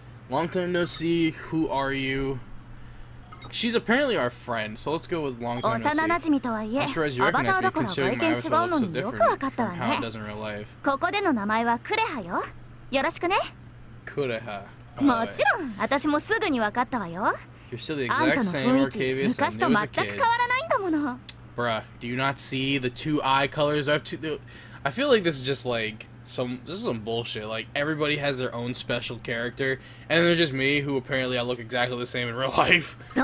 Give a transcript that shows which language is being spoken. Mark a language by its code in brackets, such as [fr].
[en] Long time no see. Who are you? She's apparently our friend, so let's go with long time no see. I'm sure as you recognize me, considering my avatar looks so different from how it does in real life. Kureha. [ja] もちろん、私もすぐに分かったわよ. [en] You're still the exact same Arcaviouse I knew as a kid. Bruh, do you not see the two eye colors? I feel like this is just like some bullshit. Like everybody has their own special character, and there's just me who apparently I look exactly the same in real life.